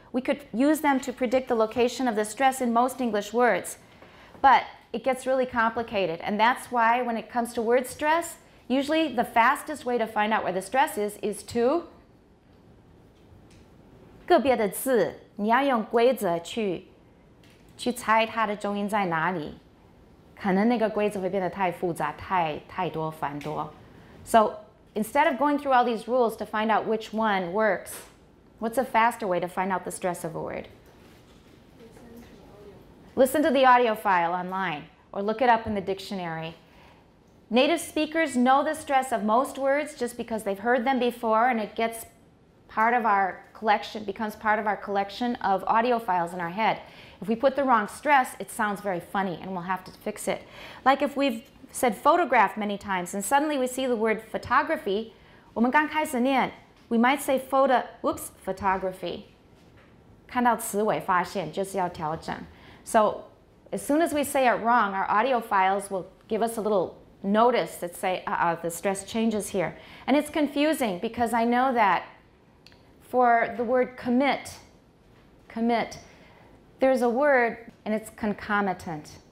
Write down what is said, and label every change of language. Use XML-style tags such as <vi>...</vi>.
<en>We could use them to predict the location of the stress in most English words, but it gets really complicated, and that's why when it comes to word stress, usually the fastest way to find out where the stress is to</en> <zh>个别的字，你要用规则去猜它的重音在哪里。可能那个规则会变得太复杂，太多繁多。</zh> <en>So instead of going through all these rules to find out which one works, what's a faster way to find out the stress of a word? Listen to the audio file online or look it up in the dictionary. Native speakers know the stress of most words just because they've heard them before, and it gets part of our collection, becomes part of our collection of audio files in our head. If we put the wrong stress, it sounds very funny and we'll have to fix it. Like if we've said photograph many times and suddenly we see the word photography,</en> <zh>我们刚开始念,</zh> <en>we might say photography.</en> <zh>看到词尾发现就是要调整。</zh> <en>So as soon as we say it wrong, our audio files will give us a little notice that say, the stress changes here. And it's confusing because I know that for the word commit, there's a word and it's concomitant.</en>